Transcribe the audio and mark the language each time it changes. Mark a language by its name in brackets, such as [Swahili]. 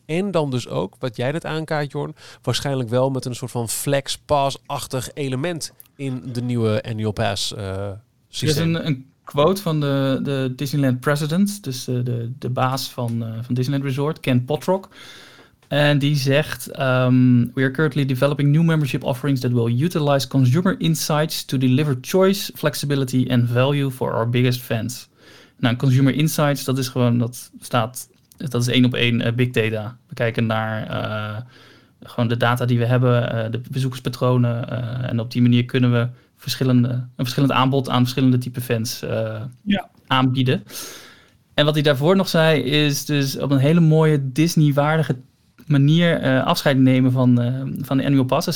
[Dutch] En dan dus ook, wat jij net aankaart, Jorn, waarschijnlijk wel met een soort van flex pass-achtig element in de nieuwe annual pass systeem. Er is een quote van de Disneyland president, dus de baas van Disneyland Resort, Ken Potrock. En die zegt, [English] we are currently developing new membership offerings that will utilize consumer insights to deliver choice, flexibility and value for our biggest fans. [Dutch] Nou, consumer insights, dat is gewoon, dat is 1-op-1 big data. We kijken naar gewoon de data die we hebben, de bezoekerspatronen. En op die manier kunnen we een verschillend aanbod aan verschillende type fans aanbieden. En wat hij daarvoor nog zei, is dus op een hele mooie Disney-waardige manier afscheid nemen van de annual passes.